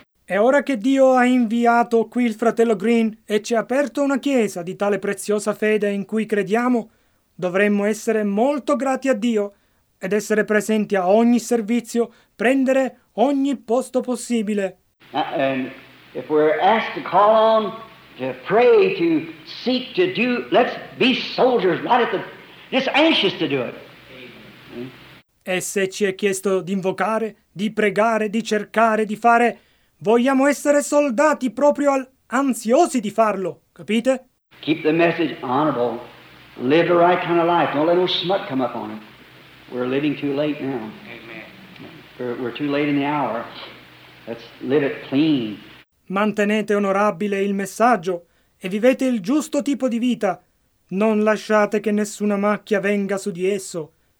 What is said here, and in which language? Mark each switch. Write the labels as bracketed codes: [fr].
[it] E ora che Dio ha inviato qui il fratello Green e ci ha aperto una chiesa di tale preziosa fede in cui crediamo, dovremmo essere molto grati a Dio ed essere presenti a ogni servizio, prendere ogni posto possibile. [en] And if we're asked to call on, to pray, to seek, to do, let's be soldiers, not at the... Just anxious to do it. [it] E se ci è chiesto di invocare, di pregare, di cercare, di fare, vogliamo essere soldati proprio ansiosi di farlo, capite? [en] Keep the message honorable. Live the right kind of life. Don't let no smut come up on it. We're living too late now. Amen. We're too late in the hour. Let's live it clean. [it] Mantenete onorabile il messaggio e vivete il giusto tipo di vita. Non lasciate che nessuna macchia venga su di esso.